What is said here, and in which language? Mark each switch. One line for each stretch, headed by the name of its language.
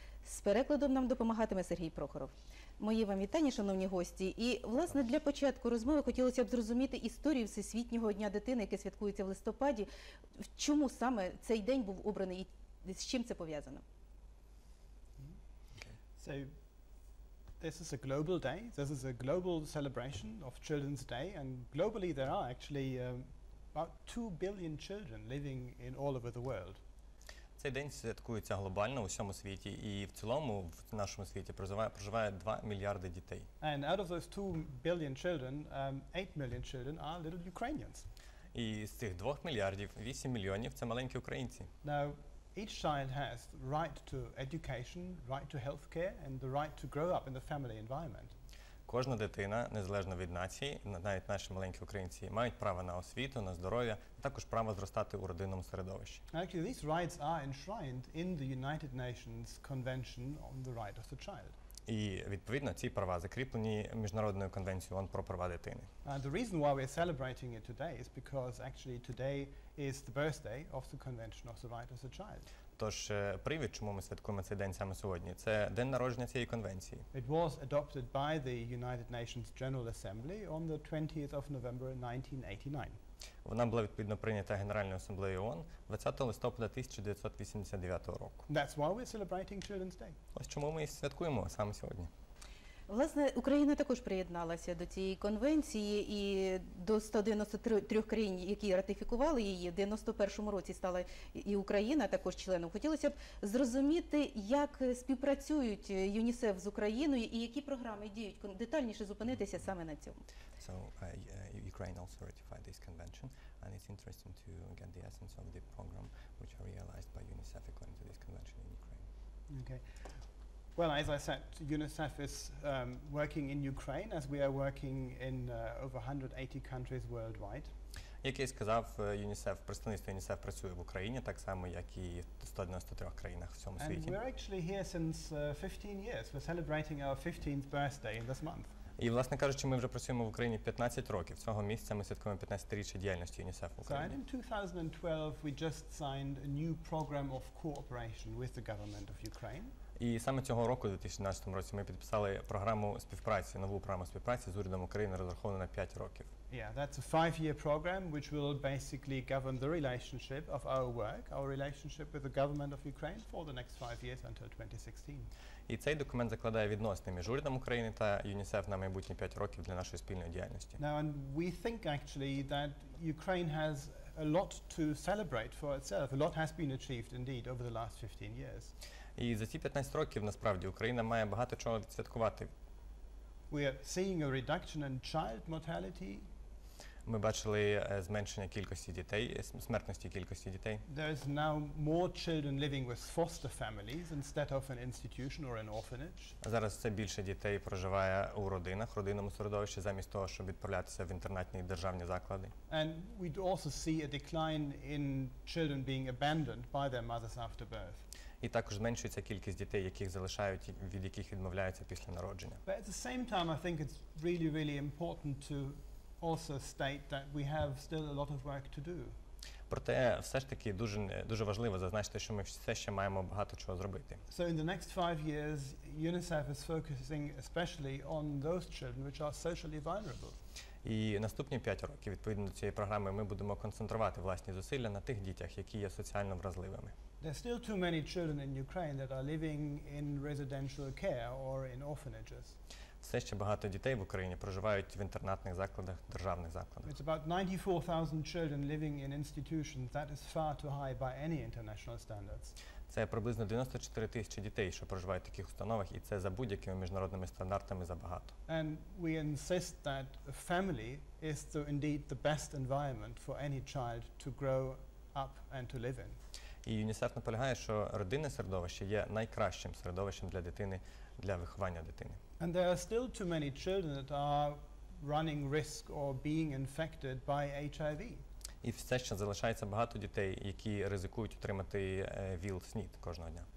Ukrainian: З перекладом нам допомагатиме Сергій Прохоров. Мої вам вітання, шановні гості. І, власне, для початку розмови хотілося б зрозуміти історію Всесвітнього дня дитини, яке святкується в листопаді. Чому саме цей день був обраний і з чим це пов'язано?
English: This is a global day. This is a global celebration of Children's Day, and globally there are actually about 2 billion children living in all over the world.
Ukrainian: Цей день святкується глобально у всьому світі, і в цілому в нашому світі проживає 2 мільярди дітей.
English: And out of those 2 billion children, 8 million children are little Ukrainians.
Ukrainian: І з цих 2 мільярдів 8 мільйонів це маленькі українці.
English: Now, each child has the right to education, right to healthcare, and the right to grow up in the family environment.
Ukrainian: Кожна дитина, незалежно від нації, навіть наші маленькі українці, мають право на освіту, на здоров'я, а також право зростати у родинному середовищі.
English: Actually, these rights are enshrined in the United Nations Convention on the Right of the Child.
Ukrainian: І, відповідно, ці права закріплені Міжнародною конвенцією ООН про права дитини.
English: The reason why we are celebrating it today is because actually today is the birthday of the Convention of the Rights of the Child.
Ukrainian: Тож, привід, чому ми святкуємо цей день саме сьогодні, це день народження цієї конвенції.
English: It was adopted by the United Nations General Assembly on the 20th of November 1989.
Ukrainian: Вона була, відповідно, прийнята Генеральною асамблеєю ООН 20 листопада 1989 року.
English: That's why we're celebrating Children's Day.
Ukrainian: Ось чому ми і святкуємо саме сьогодні. Власне, Україна також приєдналася до цієї конвенції, і до 193 країн, які ратифікували її, в 91-му році стала і Україна також членом. Хотілося б зрозуміти, як співпрацюють ЮНІСЕФ з Україною і які програми діють. Детальніше зупинитися саме на цьому.
English: So, Ukraine also ratified this convention, and it's interesting to get the essence of the program which are realized by UNICEF according to this convention in Ukraine. Okay. Well, as I said, UNICEF is working in Ukraine, as we are working in over 180 countries worldwide.
Ukrainian: Як я сказав, ЮНІСЕФ, представництво ЮНІСЕФ працює в Україні так само, як і в 193 країнах в цьому світі.
English: And we're actually here since 15 years. We're celebrating our 15th birthday in this month.
Ukrainian: І, власне кажучи, ми вже працюємо в Україні 15 років. Цього місяця ми святкуємо 15-річчя діяльності ЮНІСЕФ в Україні.
English: So, in 2012 we just signed a new program of cooperation with the government of Ukraine.
Ukrainian: І саме цього року, 2012 році, ми підписали програму співпраці, нову програму співпраці з урядом України, розраховану на 5 років.
English: Yeah, that's a 5-year program which will basically govern the relationship of our work, our relationship with the government of Ukraine for the next 5 years until 2016.
Ukrainian: І цей документ закладає відносини між урядом України та ЮНІСЕФ на майбутні 5 років для нашої спільної діяльності.
English: Now, and we think actually that Ukraine has a lot to celebrate for itself. A lot has been achieved indeed over the last 15 years.
Ukrainian: І за ці 15 років, насправді, Україна має багато чого відсвяткувати.
English: We are seeing a reduction in child mortality.
Ukrainian: Ми бачили зменшення кількості дітей, смертності кількості дітей.
English: There is now more children living with foster families instead of an institution or an orphanage.
Ukrainian: Зараз все більше дітей проживає у родинах, родинному середовищі, замість того, щоб відправлятися в інтернатні державні заклади.
English: And we also see a decline in children being abandoned by their mothers after birth.
Ukrainian: І також зменшується кількість дітей, яких залишають, від яких відмовляються після народження.
English: But at the same time, I think it's really, really important to also state that we have still a lot of work to do.
Ukrainian: Проте все ж таки дуже важливо зазначити, що ми все ще маємо багато чого зробити.
English: So in the next 5 years UNICEF is focusing especially on those children which are socially vulnerable.
Ukrainian: І наступні 5 років, відповідно до цієї програми, ми будемо концентрувати власні зусилля на тих дітях, які є соціально вразливими.
English: There are still too many children in Ukraine that are living in residential care or in orphanages.
Ukrainian: Все ще багато дітей в Україні проживають в інтернатних закладах, державних закладах.
English: It's about 94,000 children living in institutions. That is far too high by any international standards.
Ukrainian: Це приблизно 94 тисячі дітей, що проживають в таких установах, і це за будь-якими міжнародними стандартами забагато.
English: And we insist that family is the, indeed the best environment for any child to grow up and to live in.
Ukrainian: І ЮНІСЕФ наполягає, що родинне середовище є найкращим середовищем для дитини, для виховання дитини.
English: And there are still too many children that are running risk or being infected by HIV.
Ukrainian: І все ще залишається багато дітей, які ризикують отримати ВІЛ-СНІД кожного дня.